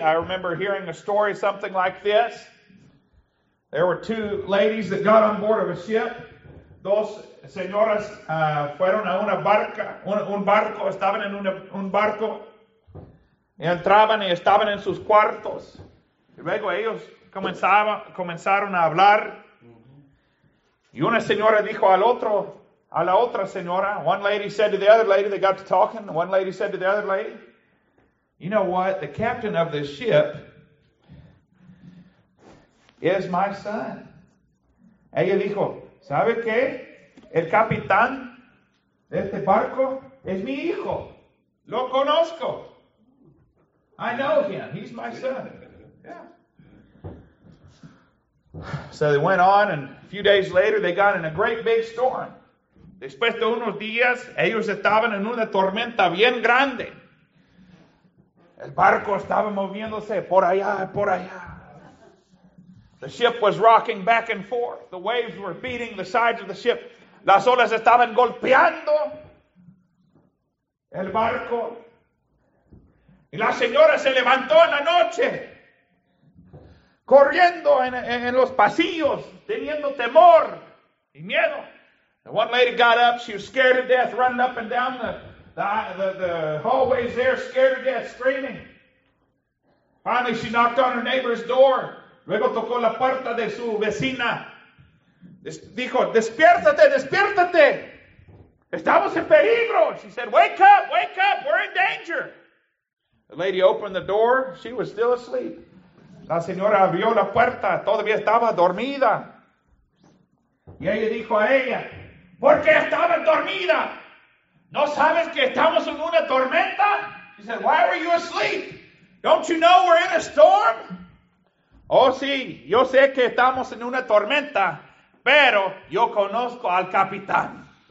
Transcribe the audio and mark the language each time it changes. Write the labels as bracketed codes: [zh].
[en] I remember hearing a story something like this. There were two ladies that got on board of a ship. [es] Dos señoras fueron a una barca. Un barco, estaban en un barco. Entraban y estaban en sus cuartos. Y luego ellos comenzaron a hablar. Y una señora dijo a la otra señora, [en] one lady said to the other lady, they got to talking, one lady said to the other lady, you know what, the captain of this ship is my son. [es] Ella dijo, ¿sabe qué? El capitán de este barco es mi hijo. Lo conozco. [en] I know him. He's my son. So they went on, and a few days later, they got in a great big storm. [es] Después de unos días, ellos estaban en una tormenta bien grande. El barco estaba moviéndose por allá, por allá. [en] The ship was rocking back and forth. The waves were beating the sides of the ship. [es] Las olas estaban golpeando el barco. Y la señora se levantó en la noche, corriendo en los pasillos, teniendo temor y miedo. [en] The one lady got up, she was scared to death, running up and down the hallways there, scared to death, screaming. Finally, she knocked on her neighbor's door. [es] Luego tocó la puerta de su vecina. Dijo, despiértate, despiértate. Estamos en peligro. [en] She said, wake up, we're in danger. The lady opened the door. She was still asleep. [es] La señora abrió la puerta. Todavía estaba dormida. Y ella dijo a ella, ¿por qué estabas dormida? ¿No sabes que estamos en una tormenta? [en] She said, why were you asleep? Don't you know we're in a storm? [es] Oh, sí, yo sé que estamos en una tormenta, pero yo conozco al capitán.